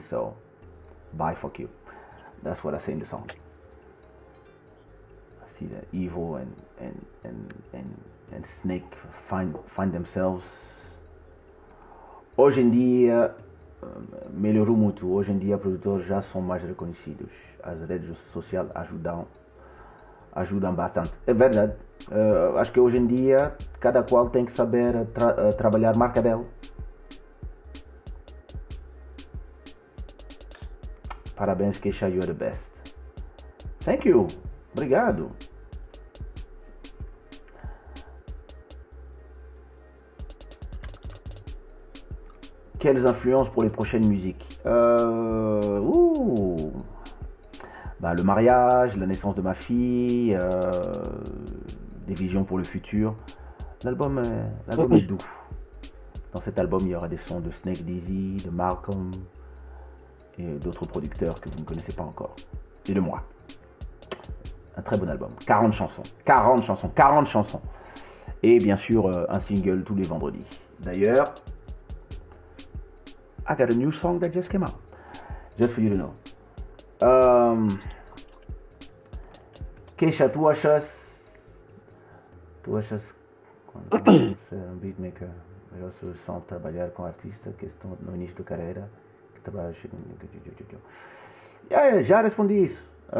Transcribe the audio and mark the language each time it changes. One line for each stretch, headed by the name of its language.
English: So, bye, fuck you. That's what I say in the song. I see that evil and snake find themselves.
Portuguese: Hoje em dia. Melhorou muito. Hoje em dia, produtores já são mais reconhecidos. As redes sociais ajudam bastante. É verdade. Acho que hoje em dia, cada qual tem que saber trabalhar a marca dela. Parabéns,
English: Keisha, you are the best. Thank you.
Portuguese: Obrigado.
French: Quelles influences pour les prochaines musiques? Bah, le mariage, la naissance de ma fille, des visions pour le futur. L'album est doux. Dans cet album, il y aura des sons de Snake Dizzy, de Malcom et d'autres producteurs que vous ne connaissez pas encore. Et de moi. Un très bon album. 40 chansons. 40 chansons. 40 chansons. Et bien sûr, un single tous les vendredis. D'ailleurs,
English: I got a new song that just came out. Just for you to know.
Portuguese: Keisha, tu achas quando ser um beatmaker, melhor solução trabalhar com artista que estão no início da carreira, que trabalha com... já respondi isso.